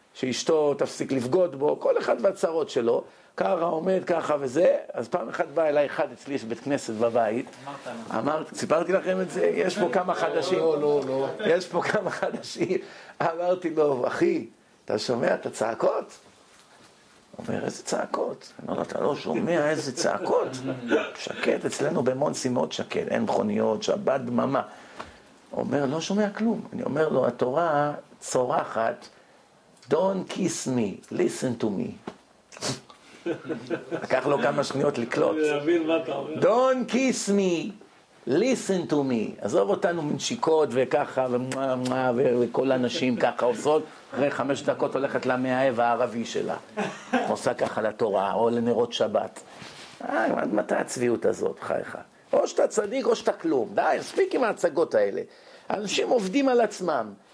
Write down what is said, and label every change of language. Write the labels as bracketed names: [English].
[Hebrew] שאשתו תפסיק לבגוד בו, כל אחד והצרות שלו, קרה עומד ככה וזה, אז פעם אחת בא אליי אחד אצלי יש בית כנסת בבית, אמרתי, סיפרתי לכם את זה, יש פה כמה חדשים, יש פה כמה חדשים, אמרתי לו, אחי, אתה שומע את הצעקות? אומר, איזה צעקות? אני אומר, אתה לא שומע איזה צעקות? שקט, אצלנו במונסי מאוד שקט, אין מכוניות, שבת, דממה. אומר, לא שומע כלום. אני אומר לו, התורה צורחת, [English] Don't kiss me, listen to me. [Hebrew] לקח לו כמה שניות לקלוט. [English] Don't kiss me, listen to me. [Hebrew] עזוב אותנו מנשיקות וככה, ומה, וכל הנשים ככה עושות. אחרי חמש דקות הולכת למאהב הערבי שלה. עושה ככה לתורה, או לנרות שבת. מתי הצביעות הזאת, חייך? או שאתה צדיק או שאתה כלום. די, ספיק עם ההצגות האלה. אנשים עובדים על עצמם.